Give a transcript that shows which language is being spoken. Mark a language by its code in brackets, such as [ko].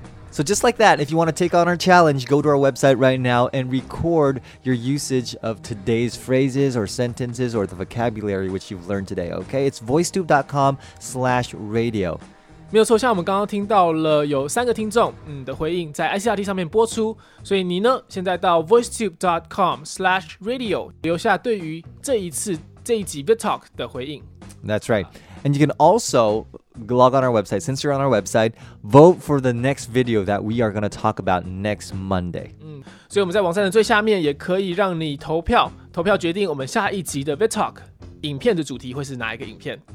[en] So just like that, if you want to take on our challenge, go to our website right now and record your usage of today's phrases or sentences or the vocabulary which you've learned today, okay? It's voicetube.com/radio. [zh] 没有错，像我们刚刚听到了有三个听众的回应在 ICRT 上面播出。所以你呢，现在到 voicetube.com/radio 留下对于这一集 VidTalk 的回应。 [en] That's right. And you can also log on our website. Since you're on our website, vote for the next video that we are going to talk about next Monday. [zh] 所以我们在网站的最下面也可以让你投票，投票决定我们下一集的 VidTalk 影片的主题会是哪一个影片。